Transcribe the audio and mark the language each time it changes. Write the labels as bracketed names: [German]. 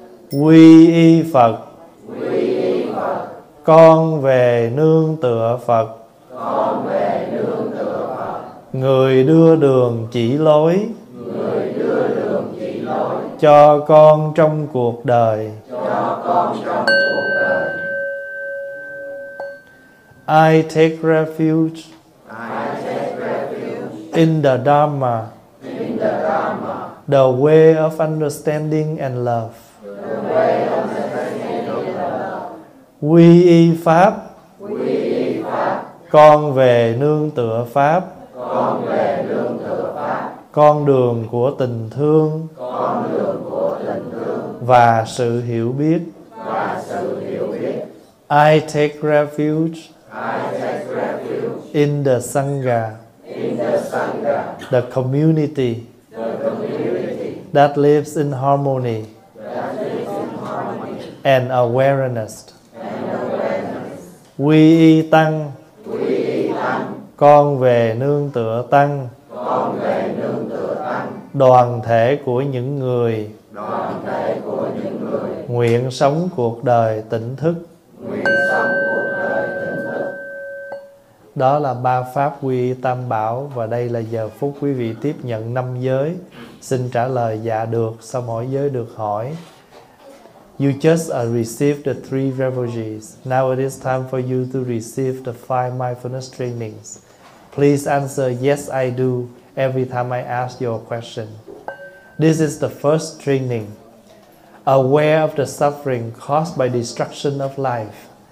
[Vietnamese] Quy y Phật, con về nương tựa Phật. Người đưa đường chỉ lối cho con trong cuộc đời. [English] I take refuge in the Dharma, the way of understanding and love. [Vietnamese] Quy y Pháp, con về nương tựa Pháp. Con đường của tình thương và sự hiểu biết. [English] I take refuge in the Sangha, the community that lives in harmony and awareness. [Vietnamese] Quy y Tăng, con về nương tựa Tăng. Đoàn thể của những người nguyện sống cuộc đời tỉnh thức. Đó là ba pháp quy tam bảo. Và đây là giờ phút quý vị tiếp nhận năm giới. Xin trả lời dạ được sau mỗi giới được hỏi. [English] You just received the three refuges. Now it is time for you to receive the five mindfulness trainings. Please answer yes I do every time I ask your question. This is the first training. Aware of the suffering caused by destruction of life.